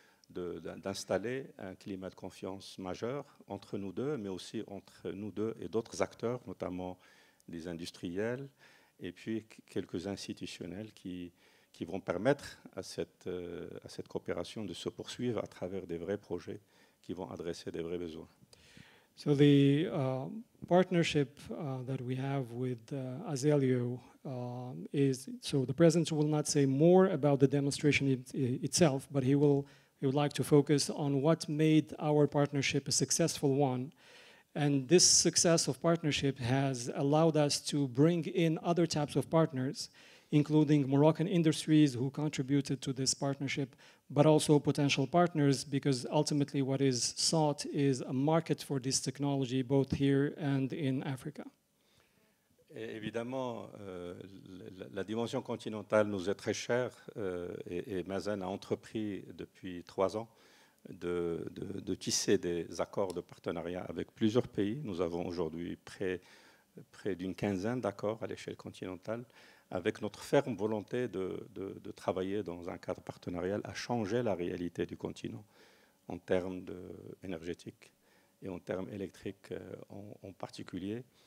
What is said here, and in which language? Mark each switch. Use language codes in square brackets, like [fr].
[fr] d'installer un climat de confiance majeur entre nous deux, mais aussi entre nous deux et d'autres acteurs, notamment des industriels et puis quelques institutionnels qui vont permettre à cette coopération de se poursuivre à travers des vrais projets qui vont adresser des vrais besoins. [en] So the partnership that we have with Azelio is so the president will not say more about the demonstration itself, but he would like to focus on what made our partnership a successful one. And this success of partnership has allowed us to bring in other types of partners, including Moroccan industries who contributed to this partnership, but also potential partners, because ultimately what is sought is a market for this technology, both here and in Africa. [fr] Évidemment, la dimension continentale nous est très chère et Masen a entrepris depuis 3 ans de tisser des accords de partenariat avec plusieurs pays. Nous avons aujourd'hui près d'une quinzaine d'accords à l'échelle continentale, avec notre ferme volonté de travailler dans un cadre partenarial à changer la réalité du continent en termes énergétiques et en termes électriques en particulier.